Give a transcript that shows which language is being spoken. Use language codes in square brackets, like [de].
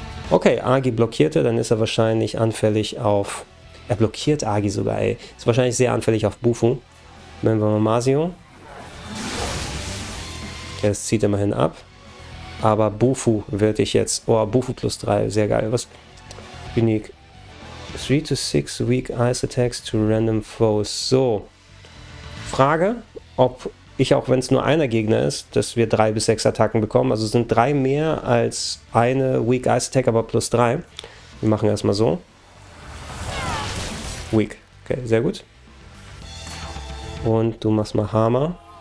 [de] Okay, Agi blockierte. Dann ist er wahrscheinlich anfällig auf. Er blockiert Agi sogar, ey. Ist wahrscheinlich sehr anfällig auf Bufu. Nehmen wir mal Masio. Okay, das zieht immerhin ab. Aber Bufu werde ich jetzt. Oh, Bufu plus 3. Sehr geil. Was? Unique. [en] 3 to 6 weak ice attacks to random foes. [de] So. Frage, ob. Ich auch, wenn es nur einer Gegner ist, dass wir 3 bis 6 Attacken bekommen. Also sind 3 mehr als eine Weak Ice Attack, aber plus 3. Wir machen erstmal so. Weak. Okay, sehr gut. Und du machst mal Hammer.